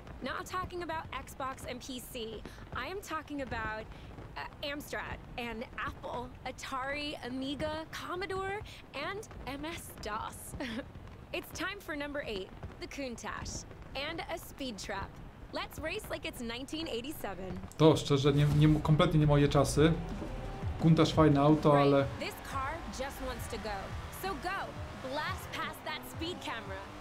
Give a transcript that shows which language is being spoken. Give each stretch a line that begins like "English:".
English: Not talking about Xbox and PC. I am talking about Amstrad and Apple, Atari, Amiga, Commodore and MS-DOS. It's time for number 8, the Countach and a speed trap. Let's race like it's 1987.
Polish: To szczerze nie kompletnie nie moje czasy. Countach fajne auto, ale
English: right. This car just wants to go. So go. Blast past that speed camera.